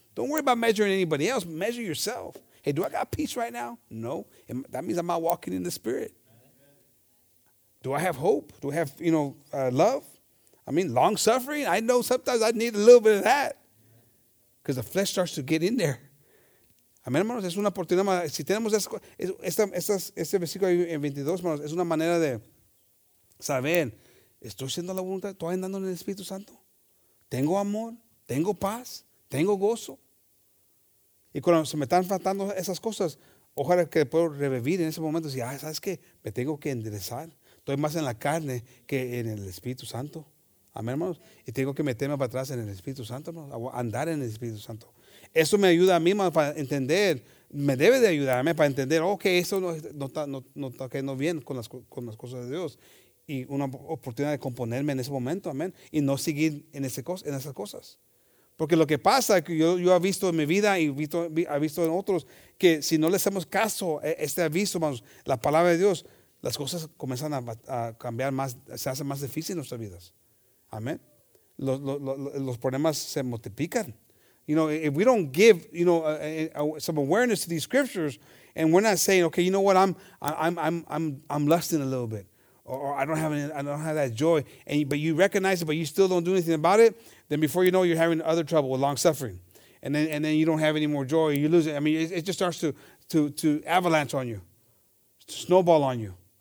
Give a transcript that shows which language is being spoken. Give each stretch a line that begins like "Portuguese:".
English: Don't worry about measuring anybody else. Measure yourself. Hey, do I got peace right now? No. That means I'm not walking in the Spirit. Amen. Do I have hope? Do I have, you know, love? I mean, long suffering. I know sometimes I need a little bit of that. Because the flesh starts to get in there.
Spanish: Amén, hermanos. Es una oportunidad. Si tenemos este versículo ahí en 22, hermanos, es una manera de saber, estoy haciendo la voluntad, estoy andando en el Espíritu Santo. Tengo amor, tengo paz, tengo gozo. Y cuando se me están faltando esas cosas, ojalá que pueda revivir en ese momento. Y decir, ¿sabes qué? Me tengo que enderezar. Estoy más en la carne que en el Espíritu Santo. Amén, hermanos. Y tengo que meterme para atrás en el Espíritu Santo, hermanos. Andar en el Espíritu Santo. Eso me ayuda a mí, hermanos, para entender. Me debe de ayudar a mí para entender, ok, eso no está cayendo bien con las cosas de Dios. Y una oportunidad de componerme en ese momento, amén. Y no seguir en esas cosas. Porque lo que pasa, que yo he visto en mi vida y he visto en otros, que si no le hacemos caso a este aviso, hermanos, la palabra de Dios, las cosas comienzan a cambiar más, se hacen más difíciles en nuestras vidas. Amen. Los problemas se multiplican.
English: You know, if we don't give, you know, some awareness to these scriptures, and we're not saying, okay, you know what, I'm lusting a little bit, or I don't have that joy, but you recognize it, but you still don't do anything about it, then before you know, you're having other trouble with long suffering, and then you don't have any more joy, you lose it. I mean, it just starts to avalanche on you, to snowball on you.